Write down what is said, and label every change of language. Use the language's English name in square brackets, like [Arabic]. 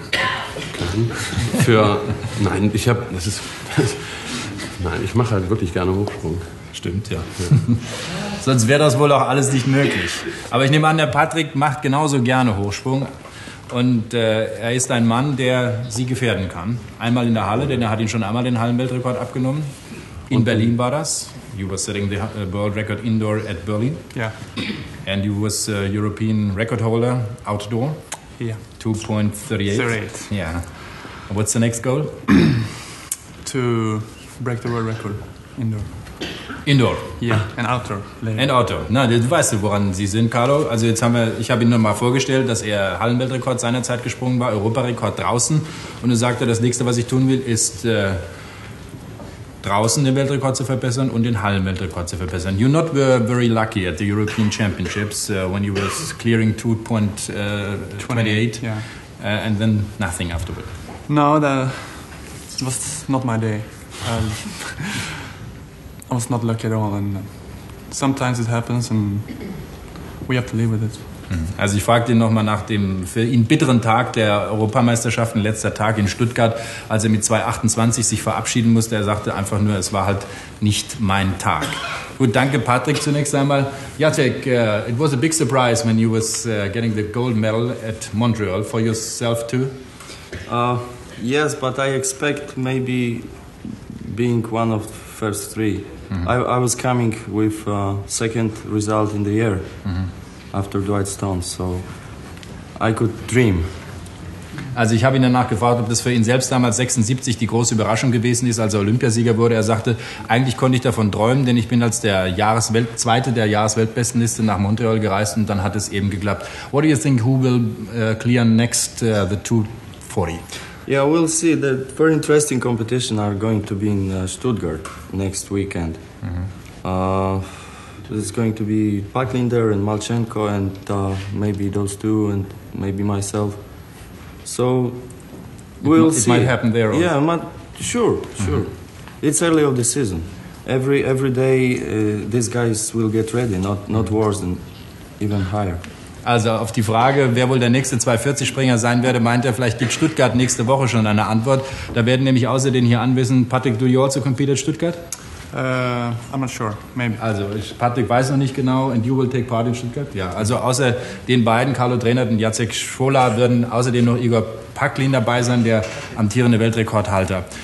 [German] Keinen. Nein, ich mache halt wirklich gerne Hochsprung. Stimmt, ja. Sonst wäre das wohl auch alles nicht möglich. Aber ich nehme an, der Patrick macht genauso gerne Hochsprung. Und er ist ein Mann, der Sie gefährden kann. Einmal in der Halle, denn er hat ihn schon einmal den Hallenweltrekord abgenommen. In Berlin war das. [English] You were setting the world record indoor at Berlin. Yeah. And you was European record holder outdoor. Yeah. 2.38. Yeah. What's the next goal? To break the world record indoor. Indoor. Yeah, and outdoor. Later. And outdoor. [German] Na, du weißt, woran Sie sind, Carlo. Also jetzt haben wir, ich habe Ihnen nochmal vorgestellt, dass er Hallenweltrekord seinerzeit gesprungen war, Europarekord draußen. Und er sagte, das Nächste, was ich tun will, ist draußen den Weltrekord zu verbessern und den Hallenweltrekord zu verbessern. [English] You not were very lucky at the European Championships when you were clearing 2.28. Yeah. And then nothing afterward. No, that was not my day. I was not lucky at all, and sometimes it happens, and we have to live with it. [German] Also ich frage ihn nochmal nach dem für ihn bitteren Tag der Europameisterschaften, letzter Tag in Stuttgart, als er mit 2,28 sich verabschieden musste. Er sagte einfach nur, es war halt nicht mein Tag. Gut, danke Patrick zunächst einmal. [English] Jacek, it was a big surprise when you was getting the gold medal at Montreal for yourself too. Yes, but I expect maybe being one of the first three. Mm-hmm. I was coming with second result in the year. Mm-hmm. After Dwight Stone, so I could dream. [German] Also ich habe ihn danach gefragt, ob das für ihn selbst damals 76 die große Überraschung gewesen ist, als er Olympiasieger wurde. Er sagte, eigentlich konnte ich davon träumen, denn ich bin als der zweite der Jahresweltbestenliste nach Montreal gereist und dann hat es eben geklappt. [English] What do you think, who will clear next the 240? Yeah, we'll see. The very interesting competition are going to be in Stuttgart next weekend. Mm-hmm. It's going to be Packlinder and Malchenko and maybe those two and maybe myself. So we'll it see. It might happen there. Yeah, sure. Mm-hmm. It's early of the season. Every day these guys will get ready, not worse and even higher. [German] Also auf die Frage, wer wohl der nächste 240-Springer sein werde, meint er, vielleicht gibt Stuttgart nächste Woche schon eine Antwort. Da werden nämlich außer den hier anwesend, Patrick, [English] do you also compete at Stuttgart? [German] I'm not sure, maybe. Also, Patrick weiß noch nicht genau, [English] and you will take part in Stuttgart? [German] Ja, also außer den beiden, Carlo Drenert und Jacek Schola, werden außerdem noch Igor Paklin dabei sein, der amtierende Weltrekordhalter.